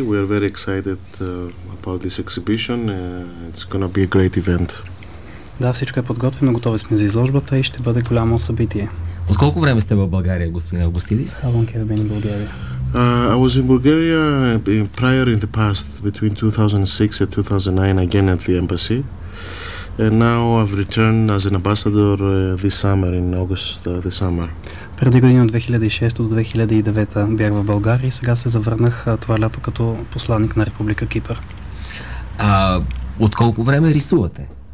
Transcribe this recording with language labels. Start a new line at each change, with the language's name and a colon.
English: We are very excited about this exhibition. It's going to be a great event.
Bulgarian: Да, всичко е подготвено, готови сме за изложбата и ще бъде голямо събитие. От колко време сте в България, господин Августидис?
English: How long have you been in Bulgaria? I was in Bulgaria prior in the past, between 2006 and 2009, again at the embassy. And now I've returned as an ambassador this summer, in August this summer.
Bulgarian: Преди години от 2006 до 2009 бях в България и сега се завърнах това лято като посланник на Република Кипър. От колко време рисувате?